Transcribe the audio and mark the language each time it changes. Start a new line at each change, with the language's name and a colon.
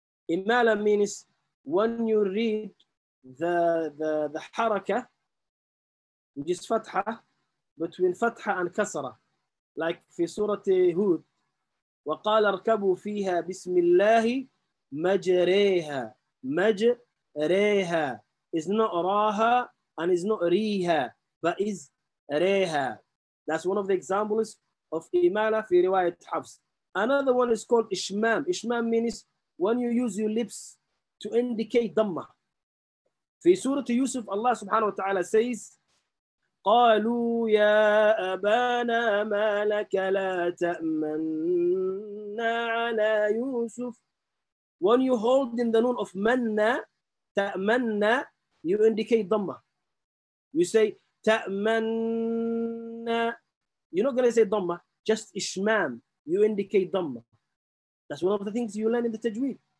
English: Imalah means when you read the haraka, which is fatha, between fatha and kasra, like
Arabic: في سورة هود, وقال اركبوا فيها بسم الله مجريها مجريها,
English: is not راها and is not ريها, but is ريها. That's one of the examples of
Arabic: إمالة في رواية حفص.
English: Another one is called إشمام. إشمام means when you use your lips to indicate ضمه.
Arabic: في سورة يوسف الله سبحانه وتعالى
English: says,
Arabic: قالوا يا أبانا ما لك لا تأمننا على يوسف.
English: When you hold in the noon of manna, تأمننا, you indicate ضمه. You say تأمننا, you're not going to say ضمه, just إشمام, you indicate ضمه. That's one of the things you learn in the Tajweed.